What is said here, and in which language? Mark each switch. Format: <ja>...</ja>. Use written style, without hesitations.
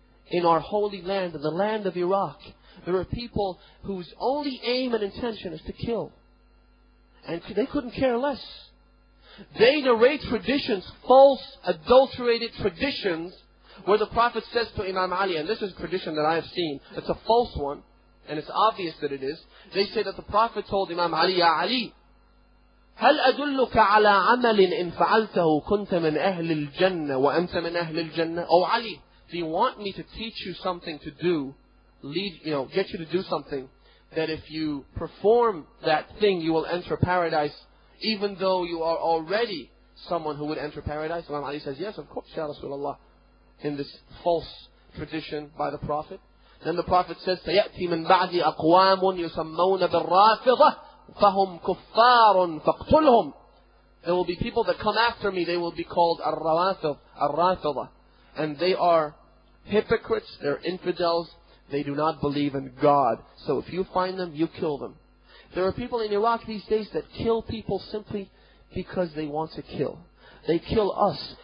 <en>In our holy land, in the land of Iraq, there are people whose only aim and intention is to kill. And they couldn't care less. They narrate traditions, false, adulterated traditions, where the Prophet says to Imam Ali, and this is a tradition that I have seen, it's a false one, and it's obvious that it is. They say that the Prophet told Imam Ali,</en> <ar>"Ya Ali, هَلْ أَدُلُّكَ عَلَىٰ عَمَلٍ إِنْ فَعَلْتَهُ كُنْتَ مِنْ أَهْلِ الْجَنَّةِ وَأَنْتَ مِنْ أَهْلِ الْجَنَّةِ."</ar> <en>Oh Ali, do you want me to teach you something to do, get you to do something, that if you perform that thing, you will enter paradise, even though you are already someone who would enter paradise? Imam Ali says, "Yes, of course, Ya Rasulullah," in this false tradition by the Prophet. Then the Prophet says,</en> <ar>"سَيَأْتِي مِنْ بَعْدِ أَقْوَامٌ يُسَمَّوْنَ بِالرَّافِضَةِ فَهُمْ كُفَّارٌ فَاقْتُلْهُمْ."</ar> <en>There will be people that come after me, they will be called الرَّافِضَةِ. And they are hypocrites, they're infidels, they do not believe in God. So if you find them, you kill them. There are people in Iraq these days that kill people simply because they want to kill. They kill us.</en>